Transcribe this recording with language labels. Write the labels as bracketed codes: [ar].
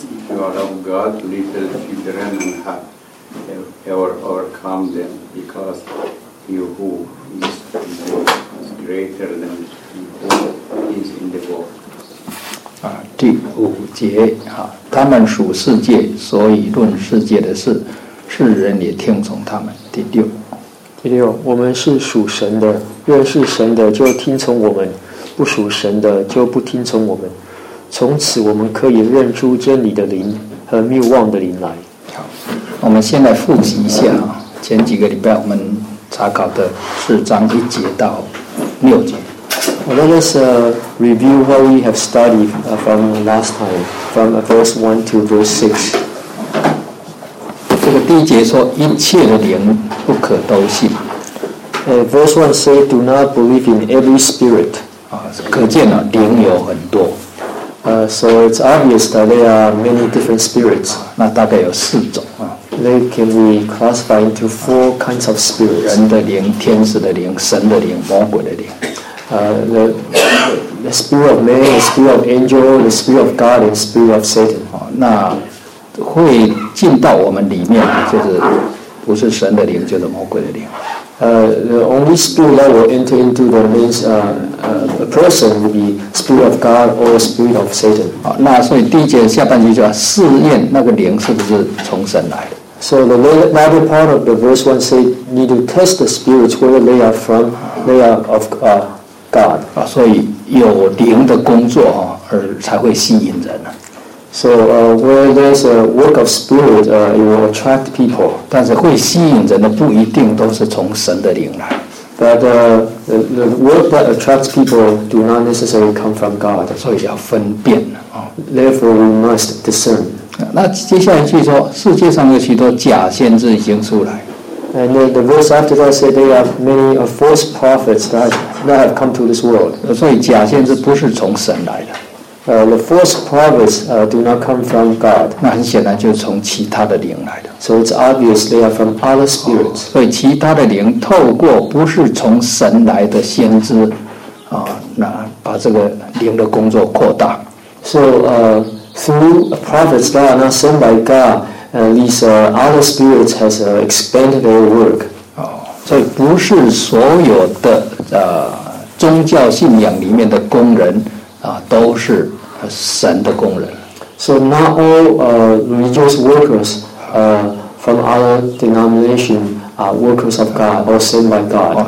[en] You are of God, little children, and have ever overcome them, because he who is in the world is greater than he who is in the world. [zh] 第五节，他们属世界，所以论世界的事，世人也听从他们。第六。第六，我们是属神的，若是神的就听从我们，不属神的就不听从我们。从此我们可以认出真理的灵和谬妄的灵来。好，我们现在复习一下前几个礼拜我们查考的四章一节到六节。 [en] Well, let us review what we have studied from last time, from verse 1 to verse 6. [zh] 这个第一节说一切的灵不可都信。 [en] Verse 1 says, do not believe in every spirit. [zh] 可见了灵有很多。 [en] So it's obvious that there are many different spirits. [zh] 那大概有四种。 [en] They can be classified into four kinds of spirits. [zh] 人的灵、天使的灵、神的灵、魔鬼的灵。 [en] The spirit of man, the spirit of angel, the spirit of God, and the spirit of Satan. [zh] 那会进到我们里面，就是不是神的灵，就是魔鬼的灵。 [en] The only spirit that will enter into the means a person will be spirit of God or spirit of Satan. [zh] 好，那所以第一节下半句就要试验那个灵是不是从神来的。 [en] So the latter part of the verse one say need to test the spirits whether they are from they are of God. [zh] 啊，所以有灵的工作而才会吸引人呢。 [en] So where there's a work of spirit, it will attract people. [zh] 但是会吸引人的不一定都是从神的灵来。 [en] But the work that attracts people do not necessarily come from God. [zh] 所以要分辨。 [en] Therefore, we must discern. [zh] 那接下来据说世界上有许多假先知已经出来。 [en] And then the verse after that said there are many false prophets that have come to this world. [zh] 所以假先知不是从神来的。 [en] The false prophets do not come from God. [zh] 那很显然就是从其他的灵来的。 [en] So it's obvious they are from other spirits. [zh] 所以其他的灵透过不是从神来的先知，那把这个灵的工作扩大。 [en] So through prophets that are not sent by God, these other spirits has expanded their work. [zh] 所以不是所有的宗教信仰里面的工人。都是神的工人。 [en] So not all religious workers from other denomination are workers of God or sent by God.